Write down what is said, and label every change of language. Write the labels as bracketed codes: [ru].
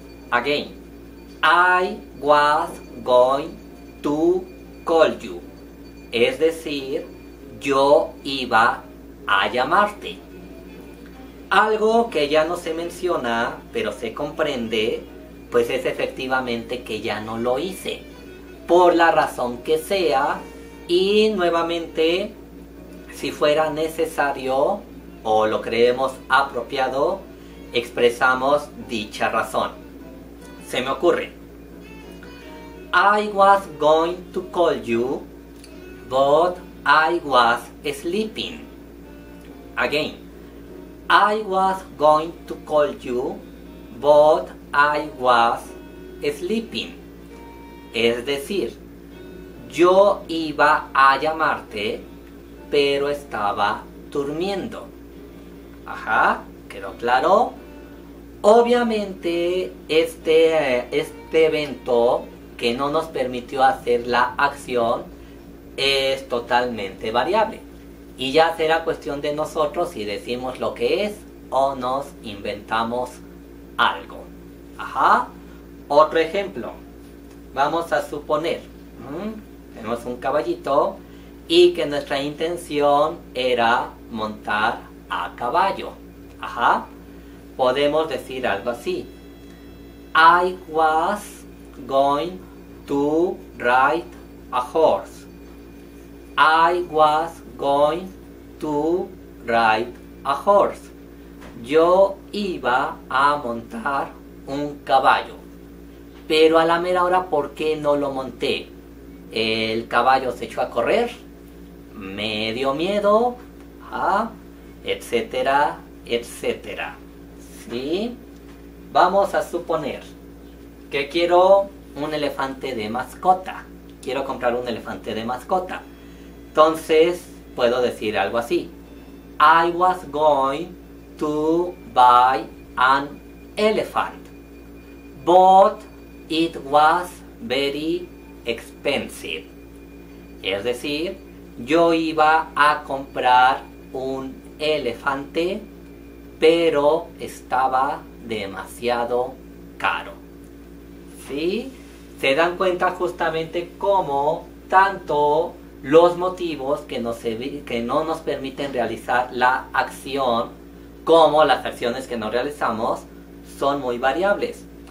[en] Again, I was going to call you. [es] Es decir, yo iba a llamarte. Algo que ya no se menciona, pero se comprende, pues es efectivamente que ya no lo hice. Por la razón que sea, y nuevamente, si fuera necesario o lo creemos apropiado, expresamos dicha razón. Se me ocurre. [en] I was going to call you, but I was sleeping. Again. I was going to call you, but I was sleeping. [es] Es decir, yo iba a llamarte, pero estaba durmiendo. Ajá, ¿quedó claro? Obviamente, este evento que no nos permitió hacer la acción es totalmente variable. Y ya será cuestión de nosotros si decimos lo que es o nos inventamos algo. Ajá, otro ejemplo. Vamos a suponer, tenemos un caballito y que nuestra intención era montar a caballo. Ajá, podemos decir algo así. [en] I was going to ride a horse. I was going to ride a horse. [es] Yo iba a montar un caballo. Pero a la mera hora, ¿por qué no lo monté? ¿El caballo se echó a correr? ¿Me dio miedo? Etcétera, etcétera. ¿Sí? Vamos a suponer que quiero un elefante de mascota. Quiero comprar un elefante de mascota. Entonces, puedo decir algo así. [en] I was going to buy an elephant, but it was very expensive. [es] Es decir, yo iba a comprar un elefante, pero estaba demasiado caro. ¿Sí? Se dan cuenta justamente cómo tanto los motivos que no nos permiten realizar la acción como las acciones que no realizamos son muy variables.